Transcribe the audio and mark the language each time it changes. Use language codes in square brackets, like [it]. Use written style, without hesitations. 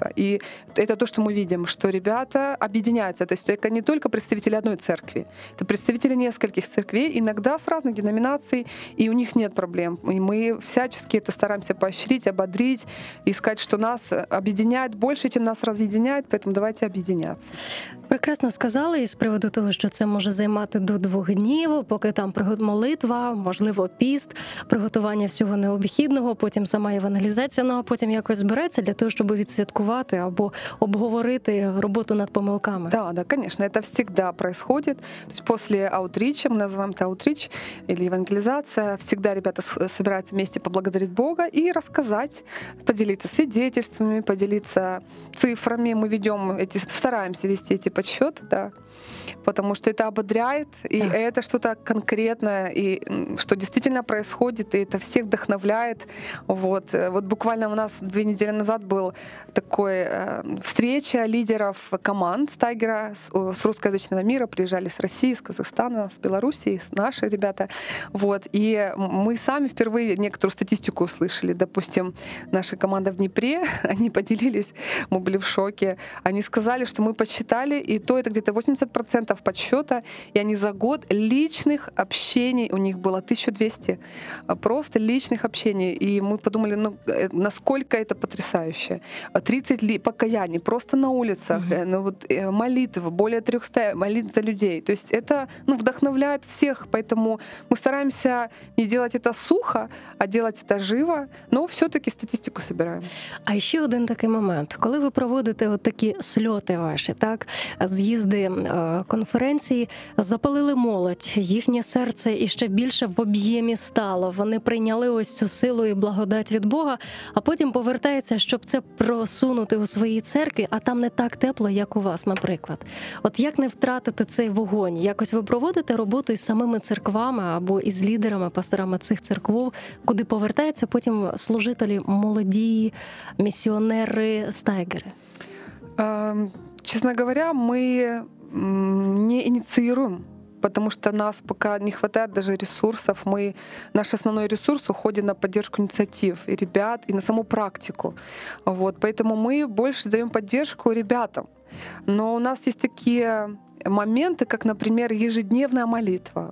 [ru] И это то, что мы видим, что ребята объединяются. То есть это не только представители одной церкви, это представители нескольких церквей, иногда с разных деноминаций, и у них нет проблем. И мы всячески это стараемся поощрить, ободрить, искать, что нас объединяет больше, чем нас разъединяет, поэтому давайте объединяться. [uk] Прекрасно сказали, і з приводу того, що це може займати до 2 днів, поки там молитва, можливо, піст, приготування всього необхідного, потім сама евангелізація, ну а потім якось збереться для того, щоб відсвяткувати або обговорити роботу над помилками. Так, да, звісно, це завжди відбувається. Тобто після аутріча, ми називаємо це аутріч, або евангелізація, завжди ребята збираються вместе поблагодарити Бога і розказати, поділитися свідченнями, поділитися цифрами. Ми ведемо, стараємося вести ці подсчет, [ru] да, потому что это ободряет, и да, это что-то конкретное, и что действительно происходит, и это всех вдохновляет. Вот, вот буквально у нас 2 недели назад был такой встреча лидеров команд Стайгера с русскоязычного мира, приезжали с России, с Казахстана, с Белоруссии, с наши ребята. Вот, и мы сами впервые некоторую статистику услышали. Допустим, наша команда в Днепре, они поделились, мы были в шоке, они сказали, что мы посчитали, и то это где-то 80% подсчета, и они за год личных общений, у них было 1200 просто личных общений, и мы подумали, ну, насколько это потрясающе. 30 покаяний просто на улицах, ну, вот, молитвы, более 300 молитв за людей, то есть это, ну, вдохновляет всех, поэтому мы стараемся не делать это сухо, а делать это живо, но все-таки статистику собираем. А еще один такой момент, когда вы проводите вот такие слеты ваши, [uk] так, з'їзди, конференції, запалили молодь, їхнє серце іще більше в об'ємі стало, вони прийняли ось цю силу і благодать від Бога, а потім повертається, щоб це просунути у своїй церкві, а там не так тепло, як у вас, наприклад. От як не втратити цей вогонь? Якось ви проводите роботу із самими церквами або із лідерами, пасторами цих церков, куди повертається потім служителі, молоді місіонери, стайгери? Чесно говоря, ми не ініціюємо. [ru] Потому что нас пока не хватает даже ресурсов. Мы, наш основной ресурс уходит на поддержку инициатив и ребят, и на саму практику. Вот, поэтому мы больше даем поддержку ребятам. Но у нас есть такие моменты, как, например, ежедневная молитва.